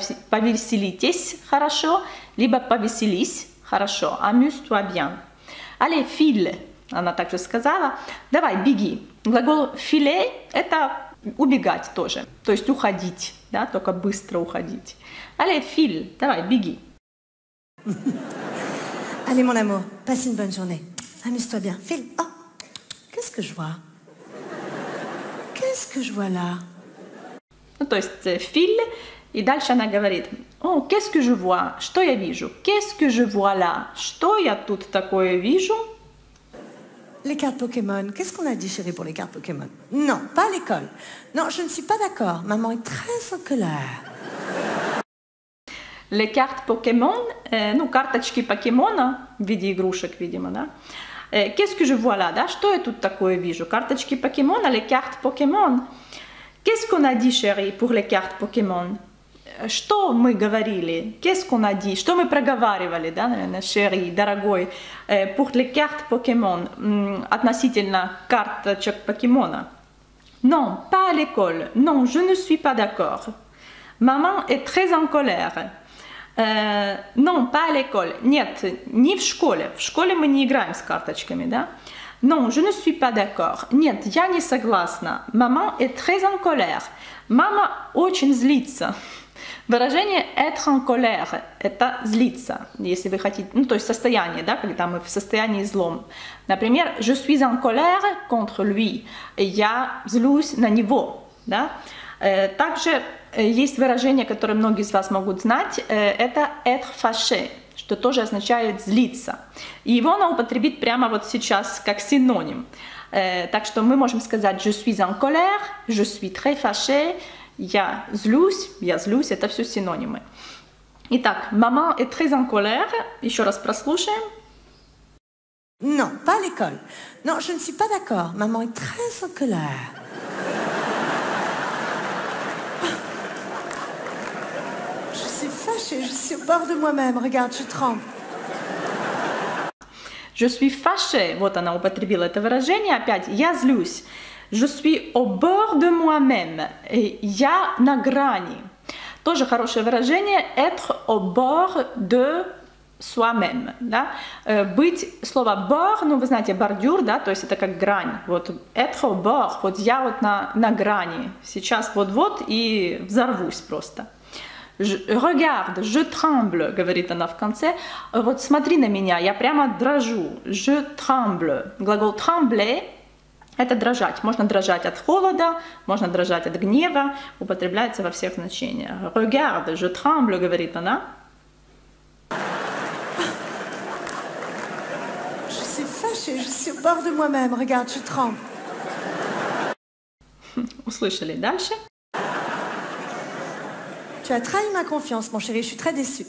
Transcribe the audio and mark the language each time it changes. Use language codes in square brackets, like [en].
[ru] Повеселитесь хорошо, либо повеселись хорошо. [fr] Amuse-toi bien. Allez, file. [ru] Она также сказала. Давай, беги. Глагол file – это убегать тоже, то есть уходить, да, только быстро уходить. [fr] Allez, file, [ru] давай, беги. [fr] Allez, mon amour, passe une bonne journée. Amuse-toi bien. File. Oh, qu'est-ce que je vois? Qu'est-ce que je vois là? [ru] Ну, то есть, file, и дальше она говорит, о, [fr] qu'est-ce que je vois? [ru] Что я вижу? [fr] Qu'est-ce que je vois là? [ru] Что я тут такое вижу? [fr] Les cartes Pokémon, qu'est-ce qu'on a dit chérie pour les cartes Pokémon? Non, pas à l'école. Non, je ne suis pas d'accord. Maman est très en colère. Les cartes Pokémon, [ru] ну, карточки Покемона в виде игрушек, видимо, да? [fr] Qu'est-ce que je vois là, да? [ru] Что я тут такое вижу? Карточки Покемона, [fr] les cartes Pokémon. Qu'est-ce qu'on a dit chérie pour les cartes Pokémon? [ru] Что мы говорили? [fr] Qu'est-ce qu'on a dit? [ru] Что мы проговаривали, да, наверное, шери, дорогой, [fr] pour les cartes Pokémon, [ru] относительно карточек Покемона? [fr] Non, pas à l'école. Non, je ne suis pas d'accord. Maman est très en colère. Non, pas à l'école. [ru] Нет, не в школе. В школе мы не играем с карточками, да? [fr] Non, je ne suis pas d'accord. [ru] Нет, я не согласна. [fr] Maman est très en colère. [ru] Мама очень злится. Выражение être en colère – это злиться, если вы хотите, ну, то есть состояние, да, когда мы в состоянии злом. Например, [fr] je suis en colère contre lui [ru] – я злюсь на него, да. Также есть выражение, которое многие из вас могут знать, это être fâché, что тоже означает злиться. И его она употребит прямо вот сейчас как синоним. Так что мы можем сказать [fr] je suis en colère, je suis très fâché. [ru] Я злюсь, это все синонимы. Итак, [fr] maman est très en colère. [ru] Еще раз прослушаем. [fr] Non, pas à l'école. Non, je ne suis pas d'accord. Maman est très en colère. Je suis fâchée, je suis au bord de moi-même. Regarde, je tremble. Je suis fâchée. [ru] Вот она употребила это выражение опять. Я злюсь. [fr] Je suis au bord de moi-même. [ru] Я на грани. Тоже хорошее выражение. [fr] Être au bord de soi-même. Да? [ru] Быть, слово bord, ну, вы знаете, бордюр, да, то есть это как грань. Вот, être au bord. Вот я вот на грани. Сейчас вот-вот и взорвусь просто. [fr] Regarde, je tremble, [ru] говорит она в конце. Вот смотри на меня, я прямо дрожу. [fr] Je tremble. [ru] Глагол trembler. Это дрожать. Можно дрожать от холода, можно дрожать от гнева. Употребляется во всех значениях. [fr] Regarde, je tremble, [ru] говорит она. [fr] Je suis fâchée, je suis au bord de moi-même. Regarde, je tremble. [ru] Услышали дальше? [fr] Tu as trahi ma confiance, mon chéri. Je suis très déçue.